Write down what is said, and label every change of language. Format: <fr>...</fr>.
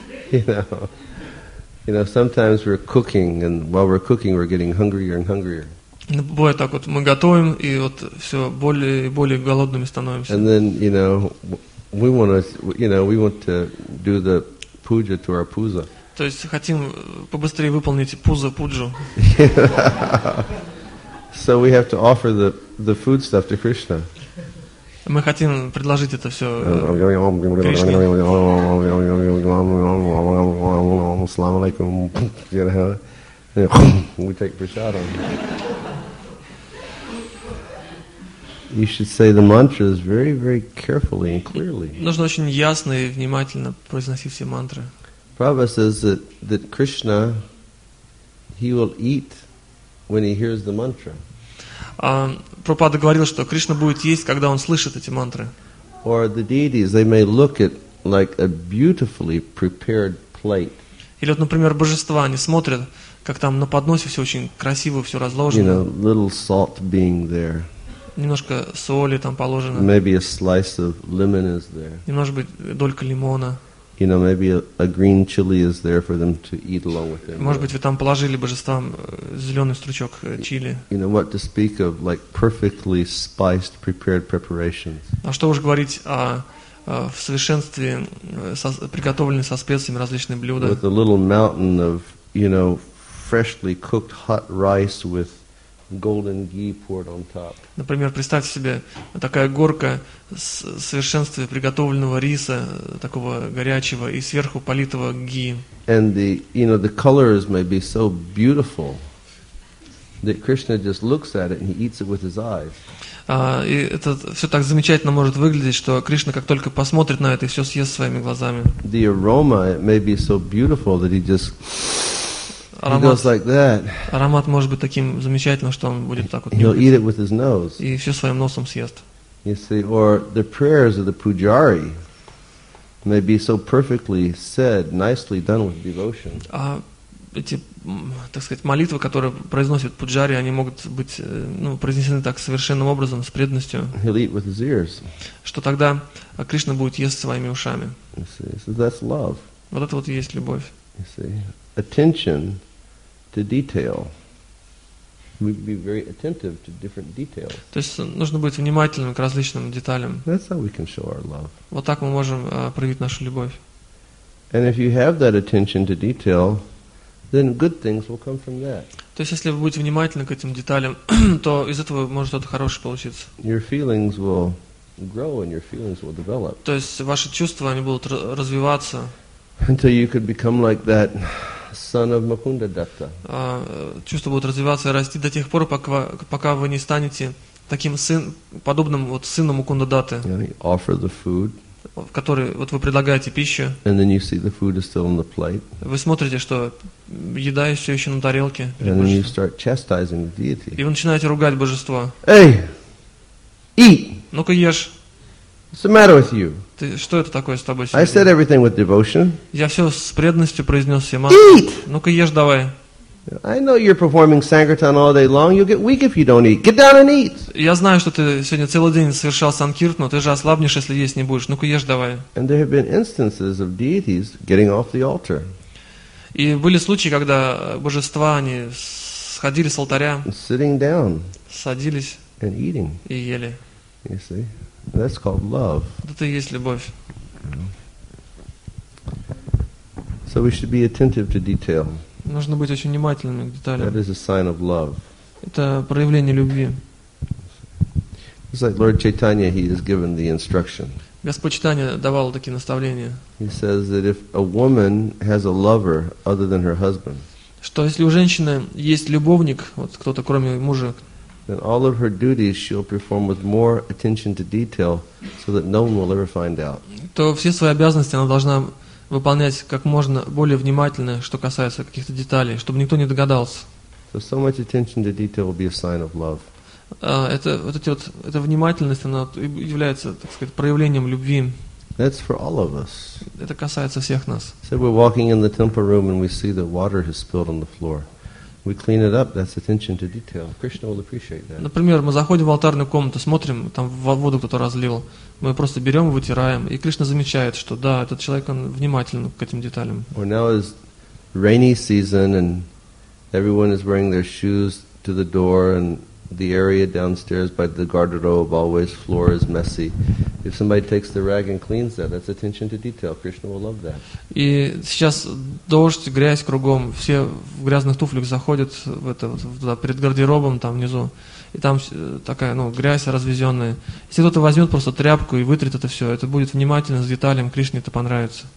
<en>You know, sometimes we're cooking, and while we're cooking, we're getting hungrier and hungrier.</en> <ru>Бывает так вот, мы готовим, и вот все более и более голодными становимся.</ru> <en>And then, you know, we want to do the puja to our puja.</en> <ru>То есть хотим побыстрее выполнить пуза пуджу.</ru> <en>So we have to offer the food stuff to Krishna.</en> <ru>Мы хотим предложить это все Кришне.</ru> <en>You should say the mantras very, very carefully and clearly.</en> <ru>Нужно очень ясно и внимательно произносить все мантры.</ru> <en>Prabhupada says that Krishna, he will eat when he hears the mantra.</en> <ru>Прабхупада говорил, что Кришна будет есть, когда он слышит эти мантры.</ru> <en>Or the deities, they may look at like a beautifully prepared plate.</en> <ru>Или вот, например, божества, они смотрят, как там на подносе все очень красиво, все разложено.</ru> <en>You know, little salt being there.</en> <ru>Немножко соли там положено.</ru> <en>Maybe a slice of lemon is there.</en> <ru>Немножко долька лимона.</ru> <en>You know, maybe a green chili is there for them to eat along with him.</en> <ru>Может быть, вы там положили божествам зеленый стручок чили.</ru> <en>You know, what to speak of, like perfectly spiced, prepared preparations.</en> <ru>А что уж говорить о в совершенстве приготовленных со специями различные блюда.</ru> <en>With a little mountain of, you know, freshly cooked hot rice with golden ghee poured on top.</en> <ru>Например, представьте себе такая горка с совершенстве приготовленного риса, такого горячего и сверху политого ги.</ru> <en>And the, you know, the colors may be so beautiful that Krishna just looks at it and he eats it with his eyes.</en> <ru>И это все так замечательно может выглядеть, что Кришна как только посмотрит на это и все съест своими глазами.</ru> <en>The aroma it may be so beautiful that he just</en> <ru>Аромат может быть таким замечательным, что он будет так вот нюхать. И все своим носом съест.</ru> <en>You see, or the prayers of the pujari may be so perfectly said, nicely done with devotion.</en> <ru>А эти, так сказать, молитвы, которые произносят пуджари, они могут быть произнесены так совершенным образом, с преданностью.</ru> <en>He'll eat with his ears.</en> <ru>Что тогда Кришна будет есть своими ушами.</ru> <en>You see, so that's love.</en> <ru>Вот это вот и есть любовь.</ru> <en>You see. Attention to detail. We be very attentive to different details.</en> <ru>То есть нужно быть внимательным к различным деталям.</ru> <en>That's how we can show our love.</en> <ru>Вот так мы можем проявить нашу любовь.</ru> <en>And if you have that attention to detail, then good things will come from that.</en> <ru>То есть если вы будете внимательны к этим деталям, то из этого может что-то хорошее получиться.</ru> <en>Your feelings will grow and your feelings will develop.</en> <ru>То есть ваши чувства они будут развиваться.</ru> <en>Until you could become like that. Son of Mukunda Datta.</en> <ru>Чувства будут развиваться и расти до тех пор, пока вы не станете таким подобным вот сыном Мукунда Датты.</ru> <en>Offer the food.</en> <ru>Который вот вы предлагаете пищу.</ru> <en>And then you see the food is still on the plate.</en> <ru>Вы смотрите, что еда все еще на тарелке.</ru> <en>And then you start chastising the deity.</en> <ru>И вы начинаете ругать божество.</ru> <en>Hey, eat.</en> <ru>Ну-ка ешь.</ru> <en>What's the matter with you?</en> <ru>Ты, что это такое с тобой сегодня?</ru> <en>I said everything with devotion.</en> <ru>Я все с преданностью произнес всем.</ru> <en>Eat!</en> <ru>Ну-ка ешь давай.</ru> <en>I know you're performing sankirtan all day long. You'll get weak if you don't eat. Get down and eat.</en> <ru>Я знаю, что ты сегодня целый день совершал санкирт, но ты же ослабнешь, если есть не будешь. Ну-ка ешь давай.</ru> <en>And there have been instances of deities getting off the altar.</en> <ru>И были случаи, когда божества они сходили с алтаря.</ru> <en>Sitting down.</en> <ru>Садились.</ru> <en>And eating.</en> <ru>И ели.</ru> <en>You see? That's called love.</en> <ru>Это и есть любовь.</ru> <en>So we should be attentive to detail.</en> <ru>Нужно быть очень внимательными к деталям.</ru> <en>That is a sign of love.</en> <ru>Это проявление любви.</ru> <en>It's like Lord Chaitanya, he has given the instruction.</en> <ru>Господь Чайтанья давал такие наставления.</ru> <en>He says that if a woman has a lover other than her husband.</en> <ru>Что если у женщины есть любовник, вот кто-то кроме мужа.</ru> <en>Then all of her duties she'll perform with more attention to detail, so that no one will ever find out.</en> <ru>То все свои обязанности она должна выполнять как можно более внимательно, что касается каких-то деталей, чтобы никто не догадался.</ru> <en>So so much attention to detail will be a sign of love.</en> <ru>Эта внимательность она является, так сказать, проявлением любви.</ru> <en>That's for all of us.</en> <ru>Это касается всех нас.</ru> <en>So we're walking in the temple room and we see that water has spilled on the floor. We clean it up. That's attention to detail. Krishna will appreciate that.</en> <ru>Например, мы заходим в алтарную комнату, смотрим, там воду кто-то разлил. Мы просто берем, вытираем, и Кришна замечает, что да, этот человек он внимателен к этим деталям.</ru> <en>Or now is rainy season and everyone is wearing their shoes to the door and the area downstairs by the garderobe always floor is messy. If somebody takes the rag and cleans that, that's attention to detail. Krishna will love that.</en> <ru>И сейчас дождь, грязь кругом, все в грязных туфлях заходят в это туда перед гардеробом там внизу, и там такая ну грязь развезенная. Если кто-то возьмет просто тряпку и вытрет это все, это будет внимательно с деталями, Кришне это понравится.</ru>